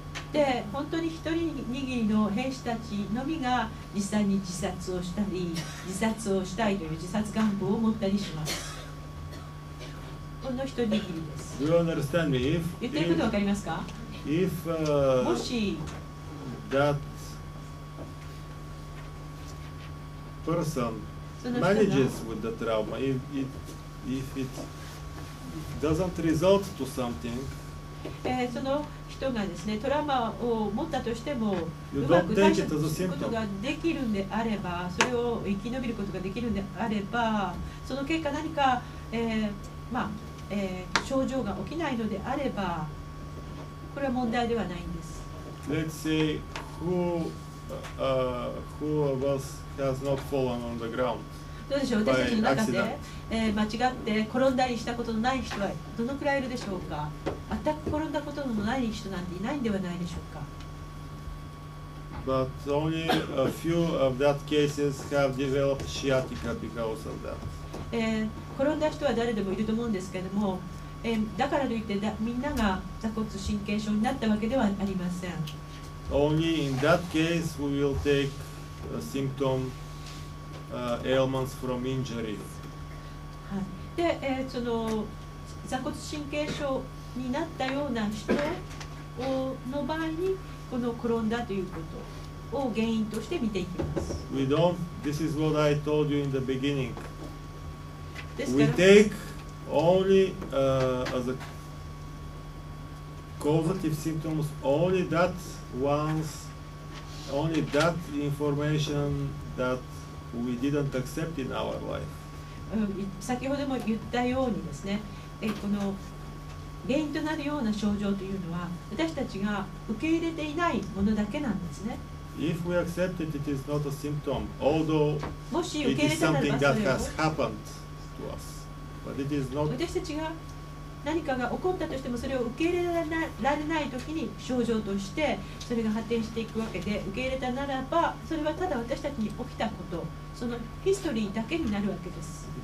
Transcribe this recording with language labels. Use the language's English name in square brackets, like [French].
[Japanese] で本当に一人握りの兵士たちのみが実際に自殺をしたり自殺をしたいという自殺願望を持ったりします。この一人握りです。 [English] You understand me? If, [Japanese] 言ってることわかりますか [English] if, [Japanese] もし [English] that person manages with the trauma, if it doesn't result to something, [Japanese] その人がですね、トラウマを持ったとしても、うまく対処することができるんであれば、それを生き延びることができるんであれば、その結果何か、まあ症状が起きないのであれば、これは問題ではないんです。 [English] Let's say who of us has not fallen on the ground? [Japanese] どうでしょう私たちの中で、間違って転んだりしたことのない人はどのくらいいるでしょうか全く転んだことのない人なんていないんではないでしょうか [English] But only a few of that cases have developed sciatica because of that. [Japanese] 転んだ人は誰でもいると思うんですけども、だからといってみんなが座骨神経症になったわけではありません。 [English] Only in that case we will take a symptomailments from injury. [Japanese] で、その座骨神経症になったような人をの場合にこの転んだということを原因として見ていきます。 [English] We don't. This is what I told you in the beginning. We take only as a causative symptoms only that ones, only that information thatWe didn't accept in our life. [Japanese] 先ほども言ったようにですね、この原因となるような症状というのは私たちが受け入れていないものだけなんですね。 [English] If we accept it, it is not a symptom, although it is something that has happened to us. But it is not. [Japanese] 私たちが何かが起こったとしてもそれを受け入れられないときに症状としてそれが発展していくわけで、受け入れたならばそれはただ私たちに起きたこと、そのヒストリーだけになるわけです。